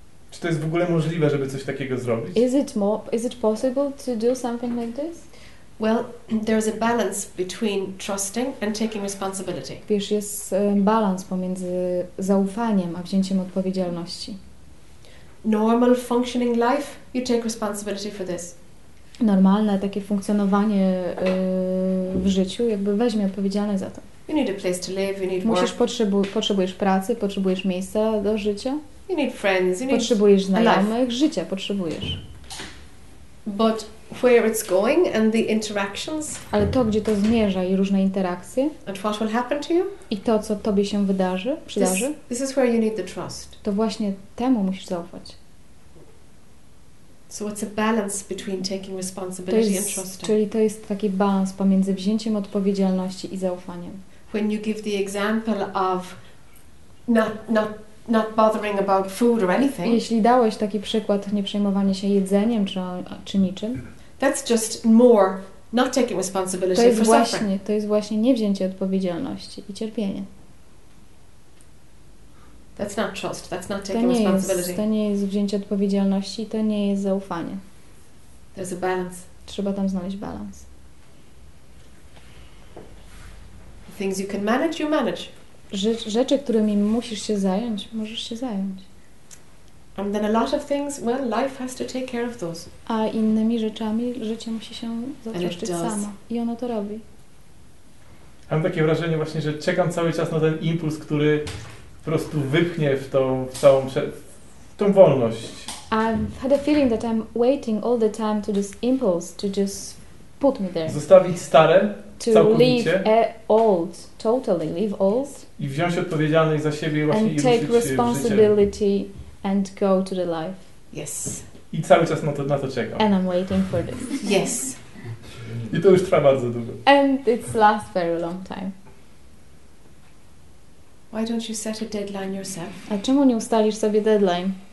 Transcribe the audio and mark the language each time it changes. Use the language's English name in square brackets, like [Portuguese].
[Polish] Czy to jest w ogóle możliwe, żeby coś takiego zrobić? [English] Is it possible to do something like this? Well, there is a balance between trusting and taking responsibility. [Polish] Wiesz, jest balans pomiędzy zaufaniem a wzięciem odpowiedzialności. [English] Normal functioning life, you take responsibility for this. [Polish] Normalne takie funkcjonowanie w życiu, jakby weźmie odpowiedzialność za to. [English] You need a place to live, you need work. [Polish] Potrzebujesz pracy, potrzebujesz miejsca do życia. [English] You need friends, you need [Polish] potrzebujesz znajomych, życia potrzebujesz. [English] But where it's going and the interactions. [Polish] Ale to, gdzie to zmierza i różne interakcje. [English] And what will happen to you? [Polish] I to, co tobie się wydarzy, przydarzy. [English] This is where you need the trust. [Polish] To właśnie temu musisz zaufać. [English] So it's a balance between taking responsibility and trusting. [Polish] Czyli to jest taki balans pomiędzy wzięciem odpowiedzialności i zaufaniem. [English] When you give the example of not bothering about food or anything. [Polish] Jeśli dałeś taki przykład nie przejmowania się jedzeniem czy niczym. [English] That's just more not taking responsibility for suffering. [Polish] To jest właśnie niewzięcie odpowiedzialności i cierpienie. [English] That's not trust. That's not taking responsibility. [Polish] To nie jest wzięcie odpowiedzialności, to nie jest zaufanie. [English] There's a balance. [Polish] Trzeba tam znaleźć balans. [English] Things you can manage, you manage. [Polish] Rzeczy, którymi musisz się zająć, możesz się zająć. [English] And then a lot of things, well, life has to take care of those. [Polish] A innymi rzeczami życie musi się zatroszczyć samo. I ono to robi. Mam takie wrażenie właśnie, że czekam cały czas na ten impuls, który po prostu wypchnie w tą wolność. [English] I've had a feeling that I'm waiting all the time to this impulse to just put me there. [Polish] Zostawić stare. [English] To leave old, totally leave old. [Polish] I wziąć odpowiedzialność za siebie właśnie i ruszyć życiem. [English] And take responsibility and go to the life. Yes. [Polish] I cały czas na to czekam. [English] And I'm waiting for this. Yes. [Polish] I to już trwa bardzo długo. [English] And it lasts very long time. Why don't you set a deadline yourself? [Polish] A czemu nie ustalisz sobie deadline?